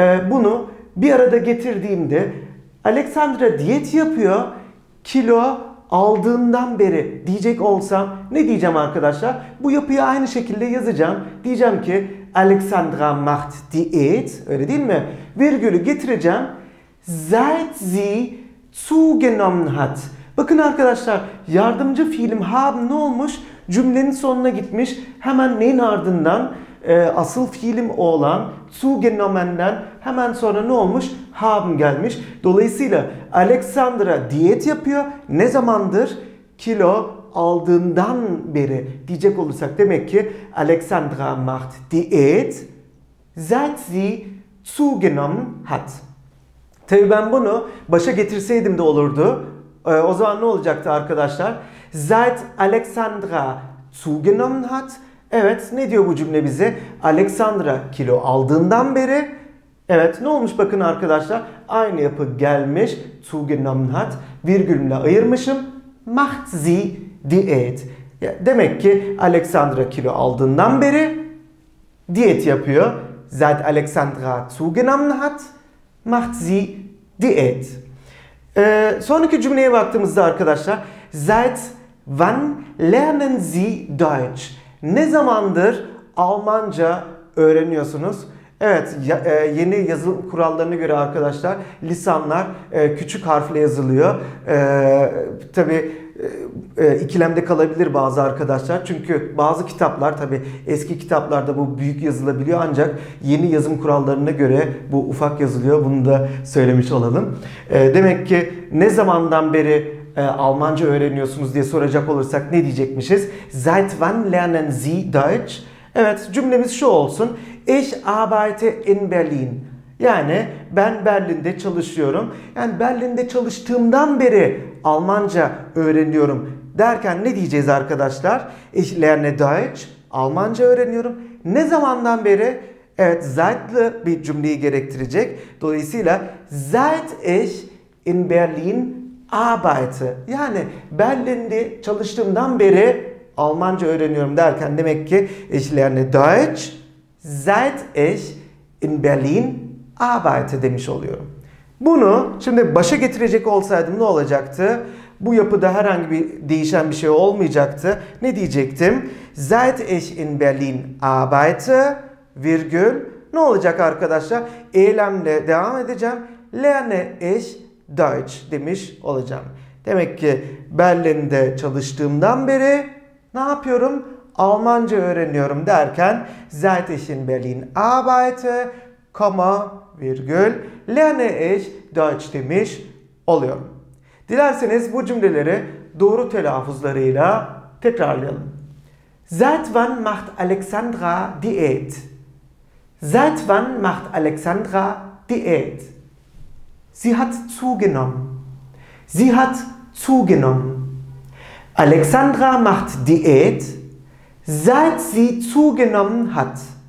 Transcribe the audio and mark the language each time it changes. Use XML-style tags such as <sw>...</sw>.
<tr>Bunu bir arada getirdiğimde Alexandra diyet yapıyor, kilo aldığından beri diyecek olsam ne diyeceğim arkadaşlar? Bu yapıyı aynı şekilde yazacağım. Diyeceğim ki Alexandra</tr> <de>macht diyet,</de> <tr>öyle değil mi? Virgülü getireceğim.</tr> <de>Seit sie zugenommen hat.</de> <tr>Bakın arkadaşlar, yardımcı fiilim haben ne olmuş? Cümlenin sonuna gitmiş. Hemen neyin ardından? Asıl fiilim olan zugenommen'den hemen sonra ne olmuş? Haben gelmiş. Dolayısıyla Alexandra diyet yapıyor. Ne zamandır? Kilo aldığından beri diyecek olursak demek ki</tr> <de>Alexandra macht diyet seit sie zugenommen hat.</de> <tr>Tabii ben bunu başa getirseydim de olurdu. O zaman ne olacaktı arkadaşlar?</tr> <de>Seit Alexandra zugenommen hat.</de> <tr>Evet, ne diyor bu cümle bize? Alexandra kilo aldığından beri. Evet, ne olmuş bakın arkadaşlar? Aynı yapı gelmiş.</tr> <de>Zugenommen hat.</de> <tr>Virgülümle ayırmışım.</tr> <de>Macht sie diät.</de> <tr>Demek ki Alexandra kilo aldığından beri diyet yapıyor.</tr> <de>Seit Alexandra zugenommen hat. Macht sie diät.</de> <tr>Sonraki cümleye baktığımızda arkadaşlar,</tr> <de>seit wann lernen Sie Deutsch?</de> <tr>Ne zamandır Almanca öğreniyorsunuz? Evet, yeni yazılım kurallarına göre arkadaşlar, lisanlar küçük harfle yazılıyor. Tabii ikilemde kalabilir bazı arkadaşlar. Çünkü bazı kitaplar, tabii eski kitaplarda bu büyük yazılabiliyor. Ancak yeni yazım kurallarına göre bu ufak yazılıyor. Bunu da söylemiş olalım. Demek ki ne zamandan beri Almanca öğreniyorsunuz diye soracak olursak ne diyecekmişiz?</tr> <de>Seit wann lernen Sie Deutsch?</de> <tr>Evet, cümlemiz şu olsun.</tr> <de>Ich arbeite in Berlin.</de> <tr>Yani ben Berlin'de çalışıyorum. Yani Berlin'de çalıştığımdan beri Almanca öğreniyorum derken ne diyeceğiz arkadaşlar?</tr> <de>Ich lerne Deutsch.</de> <tr>Almanca öğreniyorum. Ne zamandan beri? Evet, seit'li bir cümleyi gerektirecek. Dolayısıyla</tr> <de>seit ich in Berlin arbeite.</de> <tr>Yani Berlin'de çalıştığımdan beri Almanca öğreniyorum derken demek ki</tr> <de>ich lerne Deutsch seit ich in Berlin arbeite</de> <tr>demiş oluyorum. Bunu şimdi başa getirecek olsaydım ne olacaktı? Bu yapıda herhangi bir değişen bir şey olmayacaktı. Ne diyecektim?</tr> <de>Seit ich in Berlin arbeite,</de> <tr>virgül. Ne olacak arkadaşlar? Eylemle devam edeceğim.</tr> <de>Lerne ich Deutsch</de> <tr>demiş olacağım. Demek ki Berlin'de çalıştığımdan beri ne yapıyorum? Almanca öğreniyorum derken</tr> <de>Seit ich in Berlin arbeite, comma,</de> <tr>virgül.</tr> <de>Lerne ich Deutsch</de> <tr>demiş oluyorum. Dilerseniz bu cümleleri doğru telaffuzlarıyla tekrarlayalım.</tr> <de>Seit wann macht Alexandra Diät? Seit wann macht Alexandra Diät? Sie hat zugenommen. Sie hat zugenommen. Alexandra macht Diät, seit sie zugenommen hat.</de>